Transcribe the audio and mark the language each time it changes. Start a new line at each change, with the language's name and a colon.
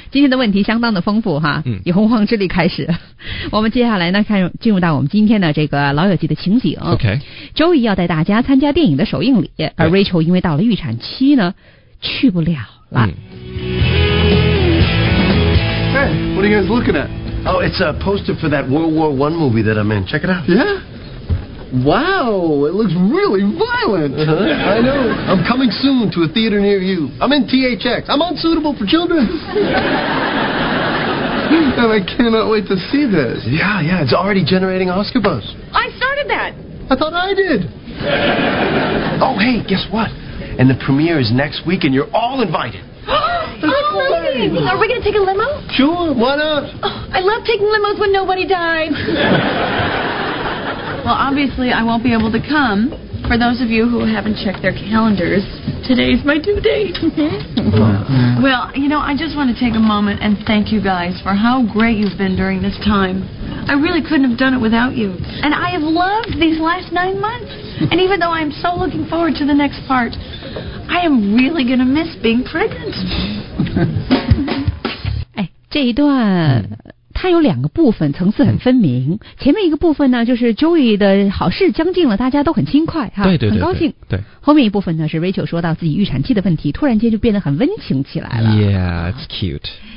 Chinese: 今天的问题相当的丰富哈，嗯，以洪荒之力开始，我们接下来呢，看进入到我们今天的这个老友记的情景。 OK，周一要带大家参加电影的首映礼，而 Rachel 因为到了预产期呢，去不了了。
English: Hey, what are you guys looking at? Oh, it's a poster for that World War One movie that I'm in. Check it out. Yeah. Wow, it looks really violent. Uh-huh. I know. I'm coming soon to a theater near you. I'm in THX. I'm unsuitable for children. And I cannot wait to see this. Yeah, yeah, it's already generating Oscar buzz. I started that. I thought I did. Oh, hey, guess what? And the premiere is next week, and you're all invited. Amazing! Are we going to take a limo? Sure, why not? Oh, I love taking limos when nobody dies. Well, obviously, I won't be able to come. For those of you who haven't checked their calendars, today's my due date. Well, you know, I just want to take a moment and thank you guys for how great you've been during this time. I really couldn't have done it without you. And I have loved these last 9 months. And even though I'm so looking forward to the next part, I am really going to miss being pregnant.
Chinese: 哎，这一段、它有两个部分，层次很分明。前面一个部分呢，就是 Joey 的好事将近了，大家都很轻快哈，对对对对，很高兴。对， 对， 对。后面一部分呢，是 Rachel 说到自己预产期的问题，突然间就变得很温情起来了。
English: Yeah, it's cute.